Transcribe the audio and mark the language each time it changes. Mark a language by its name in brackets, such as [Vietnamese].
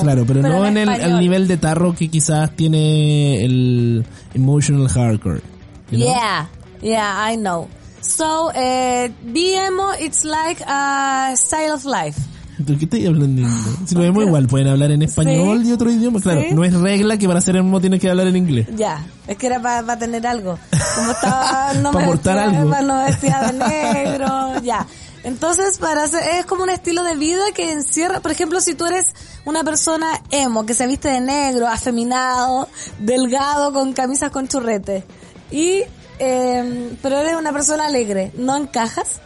[Spanish] Claro, pero no en el nivel de tarro que quizás tiene el emotional hardcore. [English] You know? Yeah, I know. So, be emo, it's like a style of life. [Spanish] ¿De qué estáis hablando? Si lo vemos igual, pueden hablar en español, ¿sí? Y otro idioma. Claro, ¿sí? No es regla que para ser emo tienes que hablar en inglés. Ya, es que era para tener algo. Como estaba, no para aportar algo. Para no vestir de negro, ya. Entonces, para hacer, es como un estilo de vida que encierra, por ejemplo, si tú eres una persona emo, que se viste de negro, afeminado, delgado, con camisas con churrete, pero eres una persona alegre, ¿no encajas?